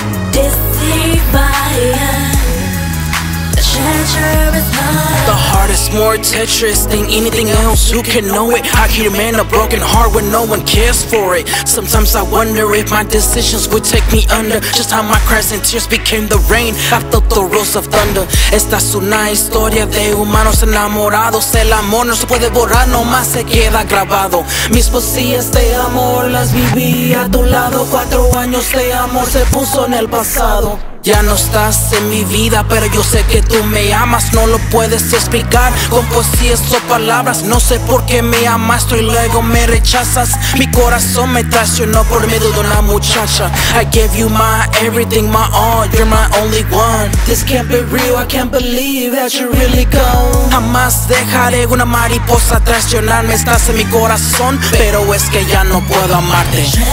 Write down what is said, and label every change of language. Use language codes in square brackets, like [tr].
[en] Deceived by a treacherous heart. The heart is more treacherous than anything else. Who can know it? I hear a man a broken heart when no one cares for it. Sometimes I wonder if my decisions would take me under, just how my cries and tears became the rain. I felt the rolls of thunder. [es] Esta es una historia de humanos enamorados. El amor no se puede borrar, nomás se queda grabado. Mis poesías de amor las viví a tu lado. 4 años de amor se puso en el pasado. Ya no estás en mi vida, pero yo sé que tú me amas. No lo puedes explicar con poesías o palabras. No sé por qué me amas y luego me rechazas. Mi corazón me traicionó por medio de una muchacha. [en] I gave you my everything, my all, you're my only one. This can't be real, I can't believe that you're really gone. [es] Jamás dejaré una mariposa traicionarme. Estás en mi corazón, pero es que ya no puedo amarte.